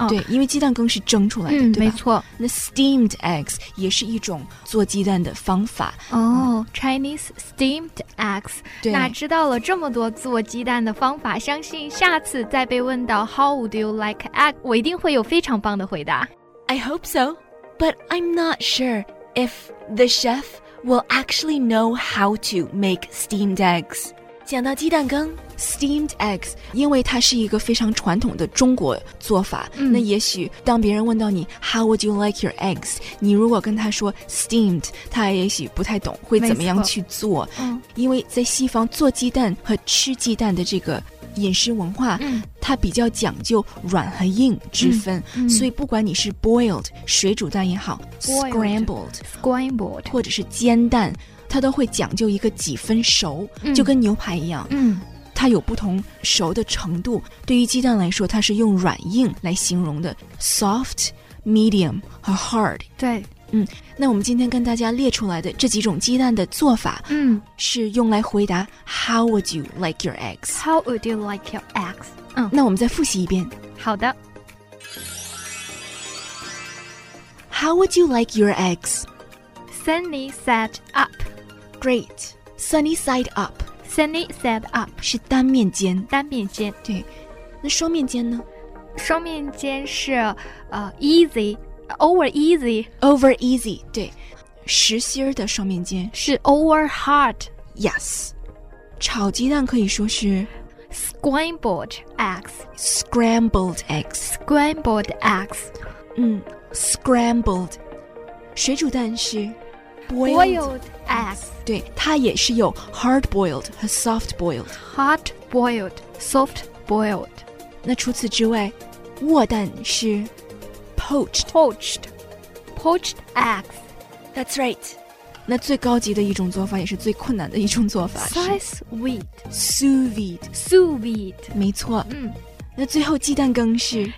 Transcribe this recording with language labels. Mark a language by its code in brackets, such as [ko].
[zh] 对，因为鸡蛋羹是蒸出来的、对吧？没错，那 [en] steamed eggs [zh] 也是一种做鸡蛋的方法 [en] 哦、Chinese steamed eggs [zh] 对，那知道了这么多做鸡蛋的方法，相信下次再被问到 [en] How would you like egg， [zh] 我一定会有非常棒的回答。 [en] I hope so, but I'm not sure if the chef will actually know how to make steamed eggs。 [zh] 讲到鸡蛋羹 steamed eggs， 因为它是一个非常传统的中国做法、那也许当别人问到你 [en] how would you like your eggs， [zh] 你如果跟他说 steamed， 他也许不太懂会怎么样去做、因为在西方做鸡蛋和吃鸡蛋的这个饮食文化、它比较讲究软和硬之分、所以不管你是 boiled 水煮蛋也好 [en] scrambled [zh] 或者是煎蛋，它都会讲究一个几分熟、就跟牛排一样、它有不同熟的程度，对于鸡蛋来说它是用软硬来形容的 soft, medium 和 hard。对，那我们今天跟大家列出来的这几种鸡蛋的做法，是用来回答 [en] How would you like your eggs? How would you like your eggs? [zh] 那我们再复习一遍。好的。 [en] How would you like your eggs? Sunny side up. Great. Sunny side up. Sunny side up. [zh] 是单面煎。单面煎。对。那双面煎呢？双面煎是、 [en] easy. Over easy. Over easy, [zh] 对。实心的双面煎。是 [en] over hard. Yes. [zh] 炒鸡蛋可以说是 [en] scrambled eggs. Scrambled eggs. Scrambled eggs. Scrambled. [zh] 水煮蛋是 [en] boiled eggs. [zh] 对，它也是有 [en] hard boiled [zh] 和 [en] soft boiled. Hard boiled, soft boiled. [zh] 那除此之外，卧蛋是 poached. [en] Poached, poached eggs. That's right. [zh] 那最高级的一种做法也是最困难的一种做法是 [fr] sous vide sous vide sous vide [zh] 没错、嗯、那最后鸡蛋羹是